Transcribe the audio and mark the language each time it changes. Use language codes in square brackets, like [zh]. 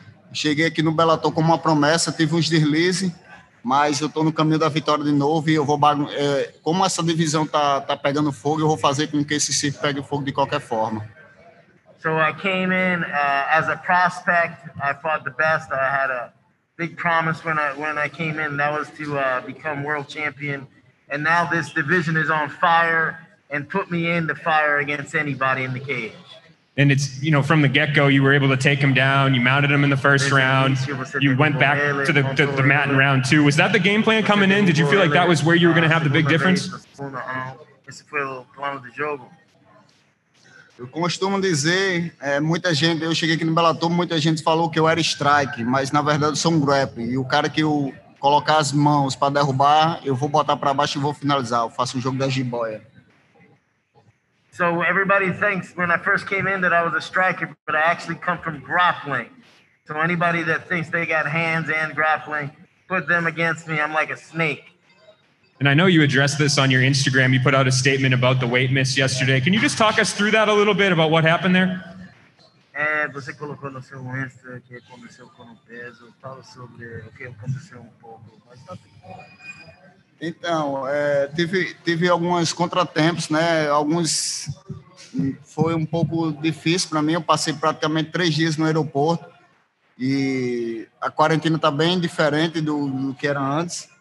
[pt] Cheguei aqui no Bellator com uma promessa, tive uns deslizes, mas eu estou no caminho da vitória de novo e eu vou como essa divisão tá pegando fogo, eu vou fazer com que esse circo pegue fogo de qualquer forma. [en] So I came in as a prospect. I fought the best. I had a big promise when I came in. That was to become world champion. And now this division is on fire and put me in the fire against anybody in the cage. And it's, you know, from the get-go, you were able to take him down. You mounted him in the first round. You went back to the mat in round two. Was that the game plan coming in? Did you feel like that was where you were going to have the big difference? [pt] Esse foi o plano de jogo. Eu costumo dizer, muita gente, eu cheguei aqui no Bellator, muita gente falou que eu era strike, mas na verdade eu sou um grappler. E o cara que eu colocar as mãos para derrubar, eu vou botar para baixo e vou finalizar. Eu faço um jogo da jiboia. [en] So everybody thinks when I first came in that I was a striker, but I actually come from grappling. So anybody that thinks they got hands and grappling, put them against me. I'm like a snake. And I know you addressed this on your Instagram. You put out a statement about the weight miss yesterday. Can you just talk us through that a little bit about what happened there? [pt] Você colocou no seu Insta que aconteceu com o peso. Fala sobre o que aconteceu um pouco. Mas tá tudo bom. Então, tive alguns contratempos, né? Alguns foi um pouco difícil para mim. Eu passei praticamente 3 dias no aeroporto e a quarentena está bem diferente do que era antes.